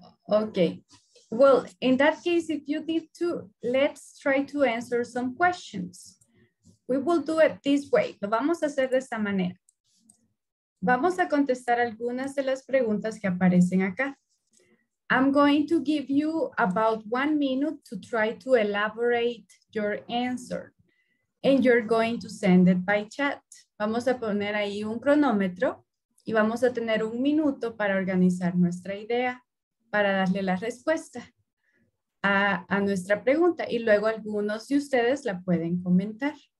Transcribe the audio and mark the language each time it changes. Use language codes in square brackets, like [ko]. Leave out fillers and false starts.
[en] Okay, well, in that case, if you need to, let's try to answer some questions. We will do it this way. [es] Lo vamos a hacer de esta manera. Vamos a contestar algunas de las preguntas que aparecen acá. [en] I'm going to give you about 1 minute to try to elaborate your answer. And you're going to send it by chat. [es] Vamos a poner ahí un cronómetro y vamos a tener 1 minuto para organizar nuestra idea. Para darle la respuesta a nuestra pregunta y luego algunos de ustedes la pueden comentar.